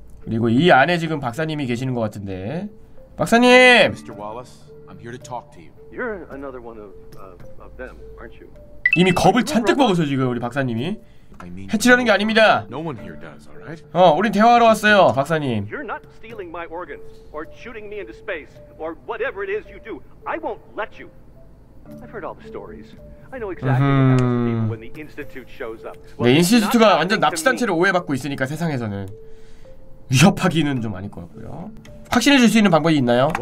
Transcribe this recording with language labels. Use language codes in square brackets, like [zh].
[ko] 그리고 이 안에 지금 박사님이 계시는 것 같은데. 박사님! [en] Mr. Wallace, I'm here to talk to you. You're another one of them, aren't you? [ko] 이미 겁을 잔뜩 먹었어 지금 우리 박사님이. 해치려는 게 아닙니다. 우린 대화하러 왔어요, 박사님. [en] You're not stealing my organs or shooting me into space or whatever it is you do. I won't let you. I've heard all the stories. I know exactly what happens when the institute shows up. [ko] 네, 인스티튜트가 완전 납치단체를 오해받고 있으니까 세상에서는 위협하기는 좀 아닐 것 같고요. 확신해 줄 수 있는 방법이 있나요?